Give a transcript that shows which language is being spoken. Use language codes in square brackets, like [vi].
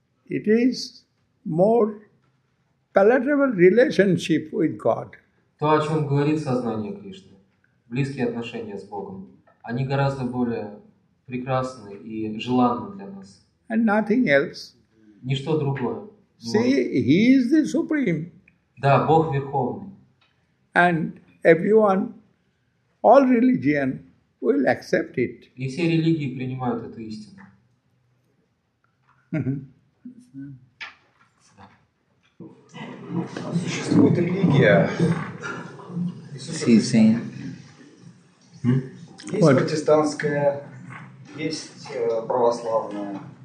[en] It is more palatable relationship with God. [ru] То, о чем говорит сознание Кришны, близкие отношения с Богом, они гораздо более прекрасны и желанны для нас. [en] And nothing else. [ru] Ничто другое. [en] See, he is the supreme. [ru] Да, Бог верховный. [en] And everyone, all religion will accept it. [ru] И все религии принимают эту истину. Существует религия. Есть протестантская, есть православная.